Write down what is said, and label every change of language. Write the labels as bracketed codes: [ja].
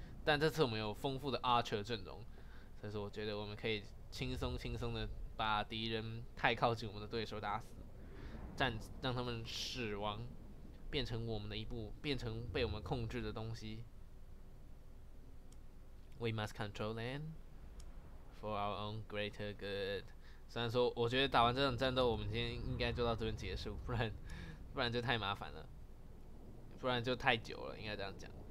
[zh] 但这次我们有丰富的 Archer 阵容，所以说我觉得我们可以轻松的把敌人太靠近我们的对手打死，让他们死亡，变成我们的一部，变成被我们控制的东西。 [en] We must control land for our own greater good. [zh] 虽然说，我觉得打完这场战斗，我们今天应该就到这边结束，不然就太麻烦了，不然就太久了，应该这样讲。